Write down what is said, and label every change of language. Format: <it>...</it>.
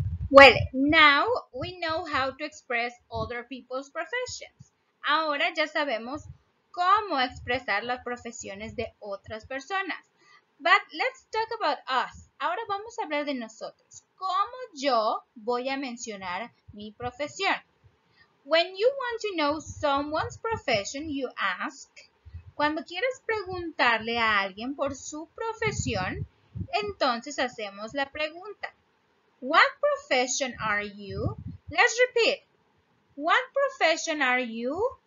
<en>Well, now we know how to express other people's professions.</en> <es>Ahora ya sabemos cómo expresar las profesiones de otras personas.</es> <en>But let's talk about us.</en> <es>Ahora vamos a hablar de nosotros. ¿Cómo yo voy a mencionar mi profesión?</es> <en>When you want to know someone's profession, you ask.</en> <es>Cuando quieres preguntarle a alguien por su profesión, entonces hacemos la pregunta.</es> <en>What profession are you? Let's repeat. What profession are you?</en>